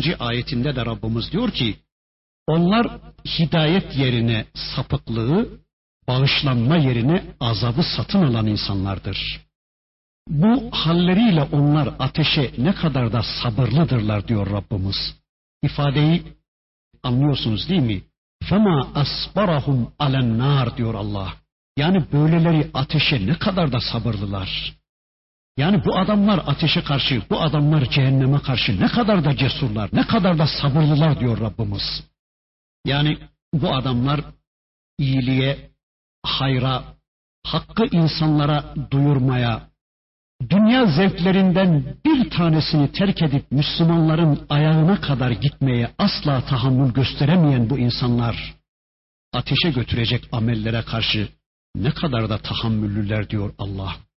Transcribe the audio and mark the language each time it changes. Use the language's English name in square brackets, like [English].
[Turkish] ayetinde de Rabbimiz diyor ki, onlar hidayet yerine sapıklığı, bağışlanma yerine azabı satın alan insanlardır. Bu halleriyle onlar ateşe ne kadar da sabırlıdırlar diyor Rabbimiz. İfadeyi anlıyorsunuz değil mi? [Arabic] فَمَا أَصْبَرَهُمْ عَلَى النَّارِ [Turkish] diyor Allah. Yani böyleleri ateşe ne kadar da sabırlılar. Yani bu adamlar ateşe karşı, bu adamlar cehenneme karşı ne kadar da cesurlar, ne kadar da sabırlılar diyor Rabbimiz. Yani bu adamlar iyiliğe, hayra, hakkı insanlara duyurmaya, dünya zevklerinden bir tanesini terk edip Müslümanların ayağına kadar gitmeye asla tahammül gösteremeyen bu insanlar, ateşe götürecek amellere karşı ne kadar da tahammüllüler diyor Allah.